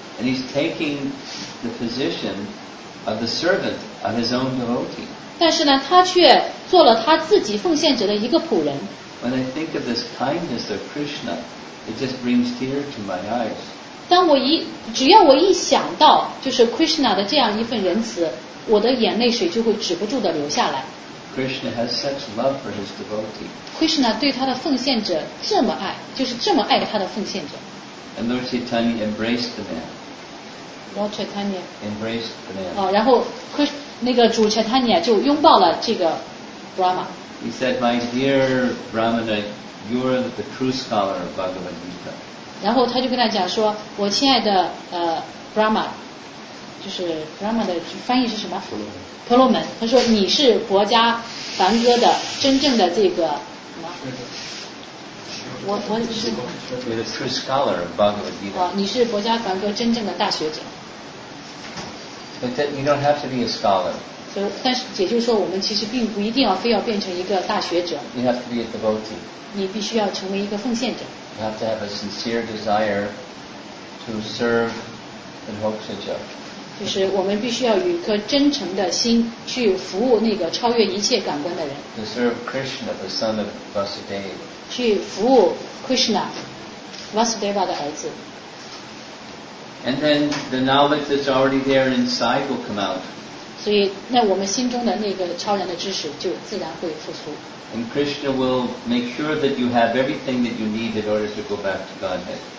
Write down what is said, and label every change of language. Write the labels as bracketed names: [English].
[English] And he's taking the position of the servant of his own devotee. [Chinese] 但是呢，他却做了他自己奉献者的一个仆人。 [English] When I think of this kindness of Krishna, it just brings tears to my eyes. [Chinese] 当我只要我一想到就是 Krishna 的这样一份仁慈。我的眼泪水就会止不住地流下来。 [English] Krishna has such love for his devotee. [Chinese] Krishna 对他的奉献者这么爱，就是这么爱他的奉献者。 [English] And Lord Chaitanya embraced the man. Lord Chaitanya embraced the man. [Chinese] 然后那个主 Chaitanya 就拥抱了这个 Brahma. [English] He said, "My dear Brahmana, you are the true scholar of Bhagavad Gita." [Chinese] 然后他就跟他讲说，我亲爱的Brahma。就是 Brahma 的翻译是什么？婆罗门。婆罗门，他说你是国家梵歌的真正的这个什么？我是。 [English] You're a true scholar of Bhagavad Gita. [Chinese] 你是国家梵歌真正的大学者。 [English] But that you don't have to be a scholar. [Chinese] 但是也就是说，我们其实并不一定要非要变成一个大学者。 [English] You have to be a devotee. [Chinese] 你必须要成为一个奉献者。 [English] You have to have a sincere desire to serve the Mokshacha. [Chinese] 就是我们必须要有一颗真诚的心去服务那个超越一切感官的人。 [English] To serve Krishna, the son of Vasudeva. [Chinese] 去服务 Krishna, Vasudeva 的儿子。 [English] And then the knowledge that's already there inside will come out. [Chinese] 所以那我们心中的那个超然的知识就自然会复苏。 [English] And Krishna will make sure that you have everything that you need in order to go back to Godhead.